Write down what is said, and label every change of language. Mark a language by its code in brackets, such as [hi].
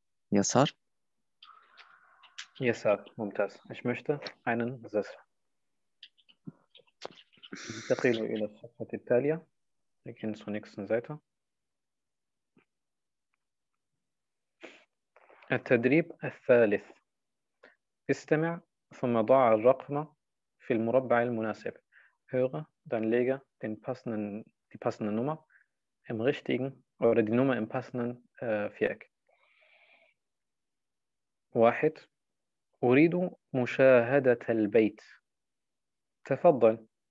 [ar] Yasar? Yasar, Mumtaz. [de] Ich möchte einen Sessel. Ich gehe in die Sessel. Wir gehen zur nächsten Seite. [ar] التدريب الثالث استمع ثم ضع الرقم في المربع المناسب. [de] Höre, dann lege die passende Nummer im richtigen oder die Nummer im passenden Viereck. [ar] واحد أريد مشاهدة البيت. تفضل.